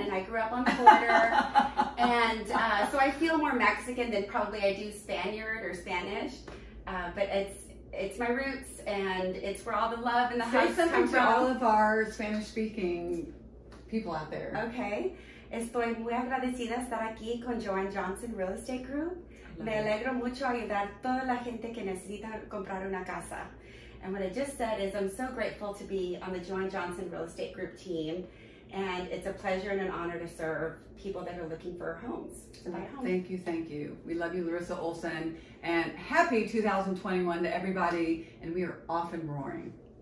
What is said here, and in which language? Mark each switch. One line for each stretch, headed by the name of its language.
English: And I grew up on the border. So I feel more Mexican than probably I do Spaniard or Spanish. But it's my roots and it's where all the love and the hype come from. Say something to all of our Spanish-speaking people out there. Okay.
Spanish: Estoy muy agradecida estar aquí con Joanne Johnson Real Estate Group. Me alegro mucho ayudar toda la gente que necesita comprar una casa.
English: And what I just said is I'm so grateful to be on the Joanne Johnson Real Estate Group team. And it's a pleasure and an honor to serve people that are looking for homes. Thank you. We love you, Larisa Olson. And happy 2021 to everybody. And we are off and roaring.